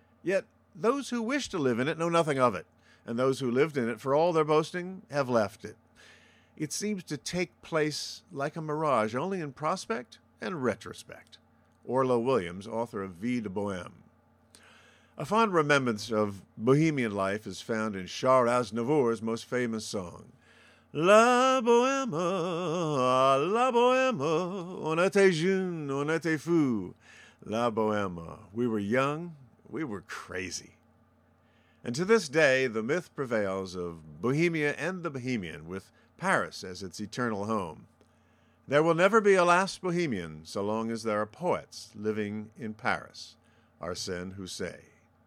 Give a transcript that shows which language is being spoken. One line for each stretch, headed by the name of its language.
English: Yet, those who wish to live in it know nothing of it, and those who lived in it, for all their boasting, have left it. It seems to take place like a mirage, only in prospect and retrospect. Orlo Williams, author of Vie de Bohème. A fond remembrance of Bohemian life is found in Charles Aznavour's most famous song.
French: La Bohème, la Bohème, on était jeune, on était fou.
English: La Bohème, we were young, we were crazy. And to this day, the myth prevails of Bohemia and the Bohemian, with Paris as its eternal home. There will never be a last Bohemian so long as there are poets living in Paris. Arsène Houssaye.